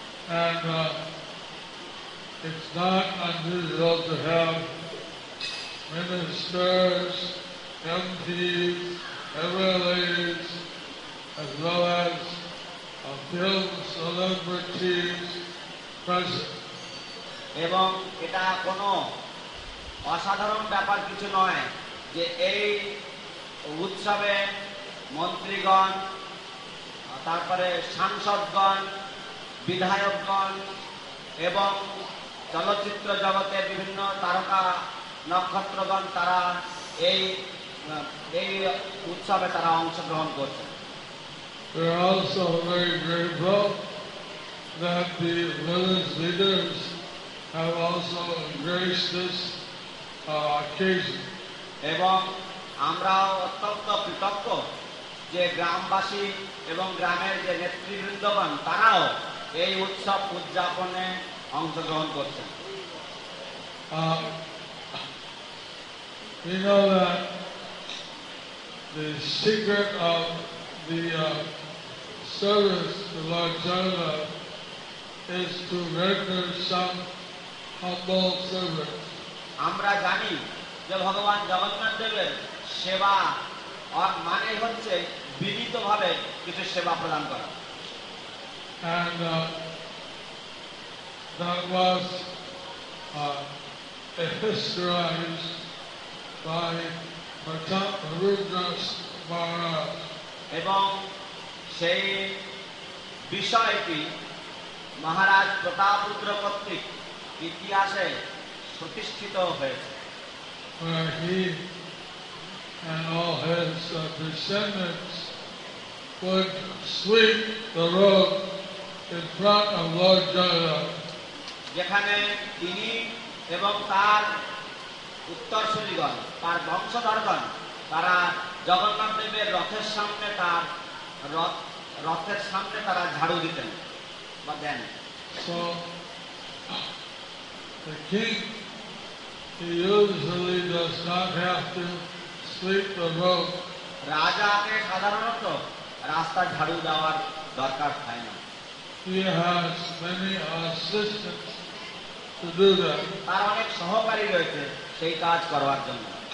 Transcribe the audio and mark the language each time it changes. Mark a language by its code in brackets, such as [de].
[en] And it's not unusual to have ministers, MPs, MLAs, as well as a film celebrities present. [bn] এবং এটা কোনো অসাধারণ ব্যাপার কিছু নয় যে এই উৎসবে মন্ত্রীগণ, তারপরে সাংসদগণ, বিধায়কগণ এবং চলচ্চিত্র জগতে বিভিন্ন তারকা নক্ষত্রগণ তারা এই এই উৎসবে তারা অংশগ্রহণ করছে। [en] We're also very grateful that the village leaders have also embraced this occasion. [bn] এবং আমরা অত্যন্ত কৃতজ্ঞ যে গ্রামবাসী এবং গ্রামের যে নেতৃবৃন্দগণ তারাও এই উৎসব উদযাপনে অংশগ্রহণ করছে। [en] You know that the secret of the service to Lord Jagannath is to render some humble service. [bn] আমরা জানি যে ভগবান জগন্নাথ দেবের সেবা মানে হচ্ছে বিনীতভাবে কিছু সেবা প্রদান করা। [en] And that was historized by Rudras Maharaj. [bn] এবং সেই বিষয়টি মহারাজ প্রতাপরুদ্র কর্তৃক ইতিহাসে প্রতিষ্ঠিত হয়েছে। [en] Where he and all his descendants would sweep the road in front of Lord Jagannath. [bn] যেখানে তিনি এবং তার উত্তরসূরিগণ, তার বংশধরগণ তারা জগন্নাথ দেবের রথের সামনে তার রথ রথের সামনে তারা ঝাড়ু দিতেন বা দেন। [en] So the king, he usually does not have to sweep the road. [bn] রাজাকে সাধারণত রাস্তা ঝাড়ু দেওয়ার দরকার হয় না। [en] He has many assistants to do that. [bn] তার অনেক সহকারী রয়েছে সেই কাজ করবার জন্য।